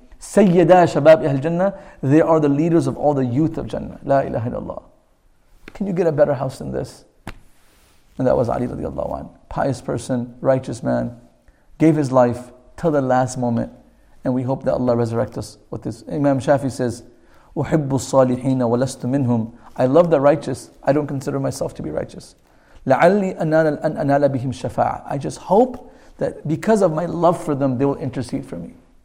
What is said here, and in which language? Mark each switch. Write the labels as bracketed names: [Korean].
[English] Sayyida Shabab Ahl Jannah, they are the leaders of all the youth of Jannah. La ilaha illallah. Can you get a better house than this? And that was Ali radiallahu anhu. Pious person, righteous man, gave his life till the last moment. And we hope that Allah resurrect us with this. Imam Shafi says, [Arabic] أُحِبُّ الصَّالِحِينَ وَلَسْتُ مِنْهُمْ. [English] I love the righteous. I don't consider myself to be righteous. [Arabic] لَعَلِّي أَنَالَ أَنْ أَنَالَ بِهِمْ شَفَاعَ. [English] I just hope that because of my love for them, they will intercede for me.